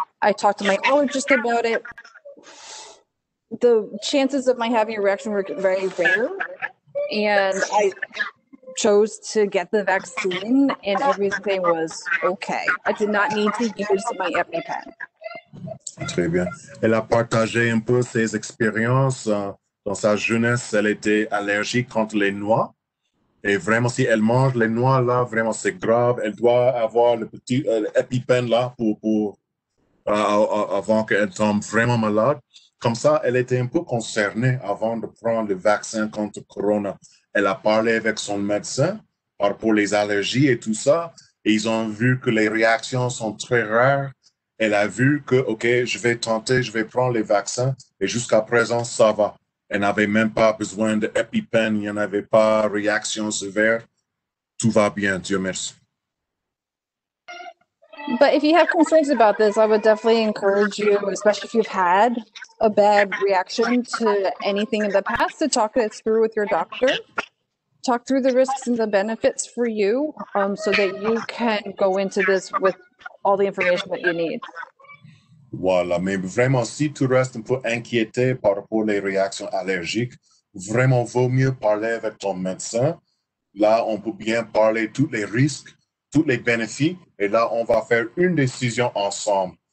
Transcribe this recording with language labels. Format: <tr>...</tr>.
<en>I talked to my allergist about it. The chances of my having a reaction were very rare, and I chose to get the vaccine and everything was okay. I did not need to use my EpiPen.</en> <fr>Très bien. Elle a partagé un peu ses expériences dans sa jeunesse. Elle était allergique contre les noix. Et vraiment, si elle mange les noix là, vraiment, c'est grave. Elle doit avoir le petit EpiPen là avant qu'elle tombe vraiment malade. Comme ça, elle était un peu concernée avant de prendre le vaccin contre Corona. Elle a parlé avec son médecin pour les allergies et tout ça. Et ils ont vu que les réactions sont très rares. Elle a vu que, OK, je vais tenter, je vais prendre les vaccins. Et jusqu'à présent, ça va. Elle n'avait même pas besoin d'EpiPen, il n'y en avait pas, réaction sévère. Tout va bien, Dieu merci.</fr> <en>But if you have concerns about this, I would definitely encourage you, especially if you've had a bad reaction to anything in the past, to talk it through with your doctor. Talk through the risks and the benefits for you so that you can go into this with all the information that you need.</en> <fr>Voilà, mais vraiment, si tu restes un peu inquiété par rapport aux réactions allergiques, vraiment, vaut mieux parler avec ton médecin. Là, on peut bien parler tous les risques, tous les bénéfices, et là, on va faire une décision ensemble.</fr>